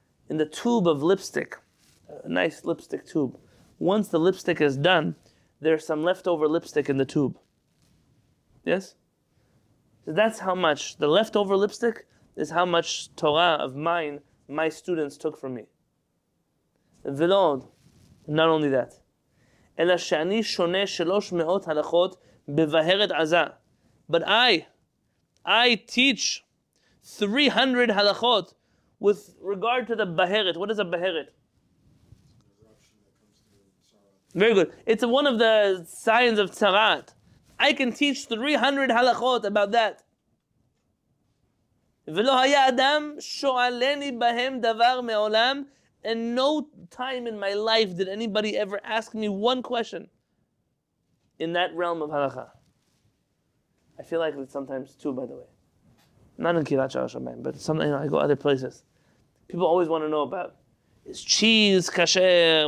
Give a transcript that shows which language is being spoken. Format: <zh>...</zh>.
<en>In the tube of lipstick, a nice lipstick tube, once the lipstick is done, there's some leftover lipstick in the tube. Yes? So that's how much, the leftover lipstick is how much Torah of mine my students took from me. V'lod, not only that.</en> <he>אלא שאני שונה 300 הלכות בבהרת עזה.</he> <en>But I teach 300 הלכות with regard to the בהרת. What is a בהרת? Very good. It's one of the signs of צרעת. I can teach 300 הלכות about that.</en> <he>ולא היה אדם שואלני בהם דבר מעולם.</he> <en>And no time in my life did anybody ever ask me one question in that realm of halakha. I feel like it sometimes too, by the way. Not in Kirat Shara Shemayim, but sometimes, you know, I go other places. People always want to know about, is cheese kasher?</en>